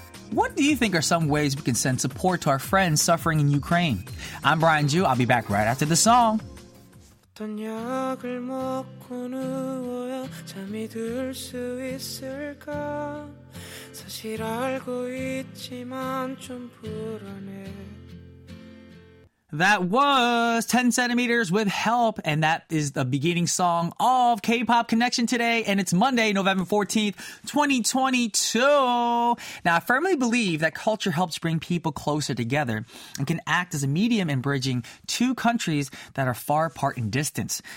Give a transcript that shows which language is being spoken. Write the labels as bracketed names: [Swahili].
[English] What do you think are some ways we can send support to our friends suffering in Ukraine? I'm Brian Ju. I'll be back right after the song. [Korean] 어떤 약을 먹고 누워야 잠이 들 수 있을까 사실 알고 있지만 좀 불안해. [English] That was 10 Centimeters with Help, and that is the beginning song of K-Pop Connection today, and it's Monday, November 14th, 2022. Now, I firmly believe that culture helps bring people closer together and can act as a medium in bridging two countries that are far apart in distance.